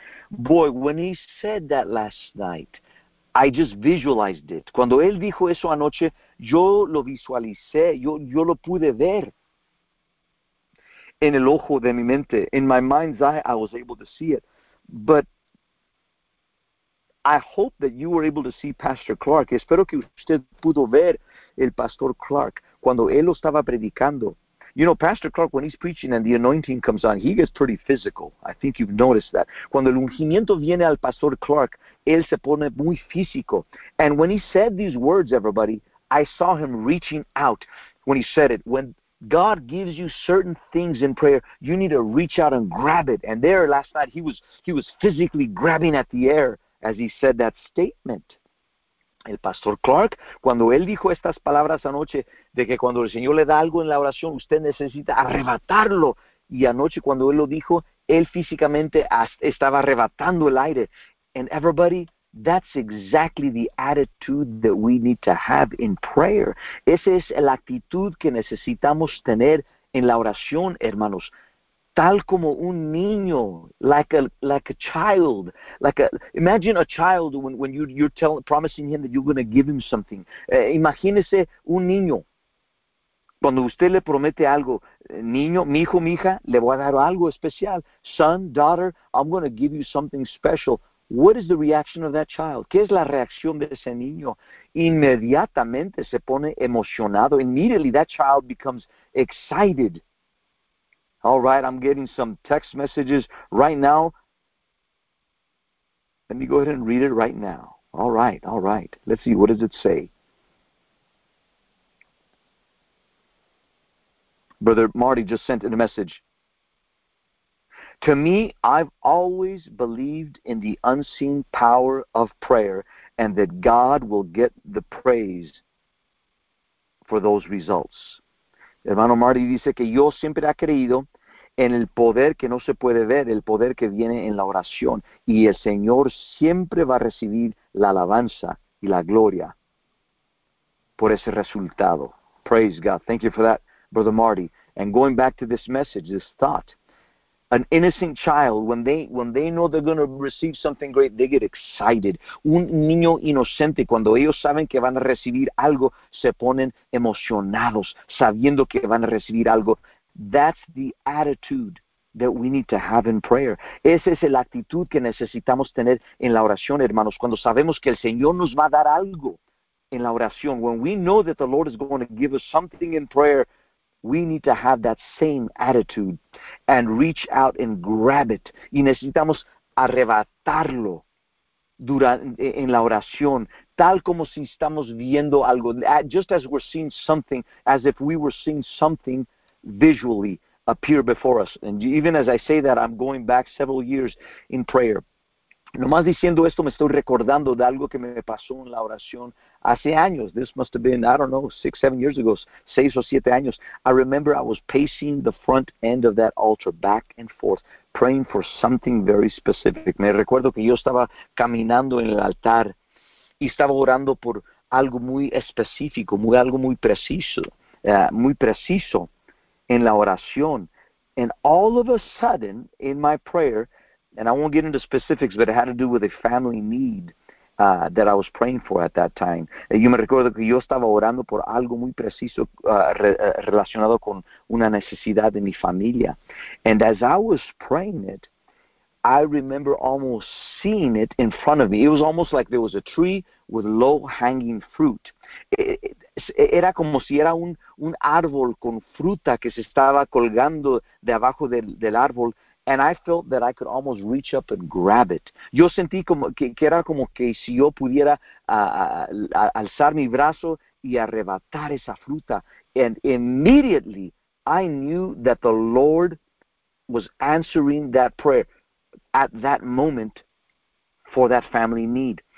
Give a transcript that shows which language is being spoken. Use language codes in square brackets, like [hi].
[en] Boy, when he said that last night, I just visualized it. [es] Cuando él dijo eso anoche, yo lo visualicé, yo lo pude ver en el ojo de mi mente. [en] In my mind's eye, I was able to see it. But I hope that you were able to see Pastor Clark. [es] Espero que usted pudo ver el Pastor Clark cuando él lo estaba predicando. [en] You know, Pastor Clark, when he's preaching and the anointing comes on, he gets pretty physical. I think you've noticed that. [es] Cuando el ungimiento viene al Pastor Clark, él se pone muy físico. [en] And when he said these words, everybody, I saw him reaching out when he said it. When God gives you certain things in prayer, you need to reach out and grab it. And there last night, he was physically grabbing at the air as he said that statement. [es] El Pastor Clark, cuando él dijo estas palabras anoche, de que cuando el Señor le da algo en la oración, usted necesita arrebatarlo. Y anoche cuando él lo dijo, él físicamente estaba arrebatando el aire. [en] And everybody, that's exactly the attitude that we need to have in prayer. [es] Esa es la actitud que necesitamos tener en la oración, hermanos. Tal como un niño, [en] like a child, imagine a child when you're promising him that you're going to give him something. [es] Imagínese un niño, cuando usted le promete algo, niño, mi hijo, mi hija, le voy a dar algo especial. [en] Son, daughter, I'm going to give you something special. What is the reaction of that child? [es] ¿Qué es la reacción de ese niño? Inmediatamente se pone emocionado. [en] Immediately that child becomes excited. All right, I'm getting some text messages right now. Let me go ahead and read it right now. All right. Let's see, what does it say? Brother Marty just sent in a message. To me, I've always believed in the unseen power of prayer and that God will get the praise for those results. [es] Hermano Marty dice que yo siempre he creído en el poder que no se puede ver, el poder que viene en la oración. Y el Señor siempre va a recibir la alabanza y la gloria por ese resultado. [en] Praise God. Thank you for that, Brother Marty. And going back to this message, this thought. An innocent child, when they know they're going to receive something great, they get excited. [es] Un niño inocente, cuando ellos saben que van a recibir algo, se ponen emocionados, sabiendo que van a recibir algo. [en] That's the attitude that we need to have in prayer. [es] Esa es la actitud que necesitamos tener en la oración, hermanos. Cuando sabemos que el Señor nos va a dar algo en la oración, [en] when we know that the Lord is going to give us something in prayer, we need to have that same attitude and reach out and grab it. [es] Y necesitamos arrebatarlo en la oración, tal como si estamos viendo algo, [en] just as we're seeing something, as if we were seeing something visually appear before us. And even as I say that, I'm going back several years in prayer. [es] Nomás diciendo esto, me estoy recordando de algo que me pasó en la oración hace años. [en] This must have been, I don't know, 6, 7 years ago, [es] 6 o 7 años. [en] I remember I was pacing the front end of that altar back and forth, praying for something very specific. [es] Me recuerdo que yo estaba caminando en el altar y estaba orando por algo muy específico, algo muy preciso en la oración. [en] And all of a sudden, in my prayer, and I won't get into specifics, but it had to do with a family need that I was praying for at that time. [es] Yo me recuerdo que yo estaba orando por algo muy preciso relacionado con una necesidad de mi familia. [en] And as I was praying it, I remember almost seeing it in front of me. It was almost like there was a tree with low-hanging fruit. [es] Era como si era un árbol con fruta que se estaba colgando de abajo del árbol. [en] And I felt that I could almost reach up and grab it. [es] Yo sentí como que era como que si yo pudiera alzar mi brazo y arrebatar esa fruta. [en] And immediately, I knew that the Lord was answering that prayer at that moment for that family need.